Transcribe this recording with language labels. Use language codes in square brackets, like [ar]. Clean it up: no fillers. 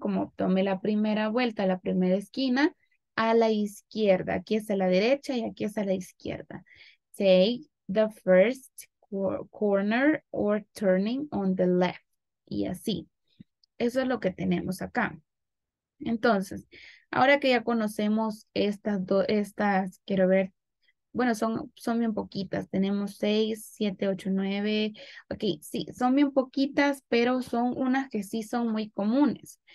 [es] Como tome la primera vuelta, la primera esquina, a la izquierda. Aquí es a la derecha y aquí es a la izquierda. [en] Take the first corner or turning on the left. [es] Y así. Eso es lo que tenemos acá. Entonces, ahora que ya conocemos estas, quiero ver, bueno, son bien poquitas. Tenemos 6, 7, 8, 9. Ok, sí, son bien poquitas, pero son unas que sí son muy comunes.